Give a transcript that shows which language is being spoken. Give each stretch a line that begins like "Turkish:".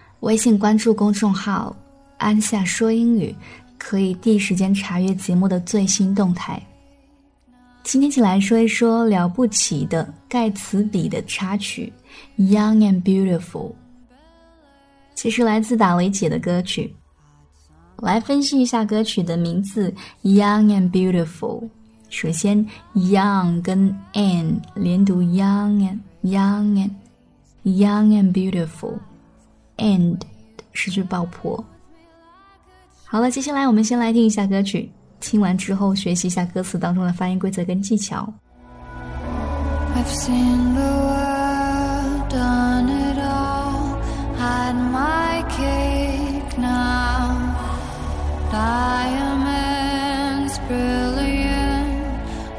Chinese: 微信关注公众号安夏说英语，可以第一时间查阅节目的最新动态。今天起来说一说了不起的盖茨比的插曲 Young and Beautiful， 其实来自打雷姐的歌曲。来分析一下歌曲的名字 Young and Beautiful。首先 ，young 跟 and 连读 ，
English: young and young and young and beautiful，
Chinese: and 是句爆破。好了，接下来我们先来听一下歌曲，听完之后学习一下歌词当中的发音规则跟技巧。
English: I've seen the world, done it all, had my cake now, diamonds brilliant.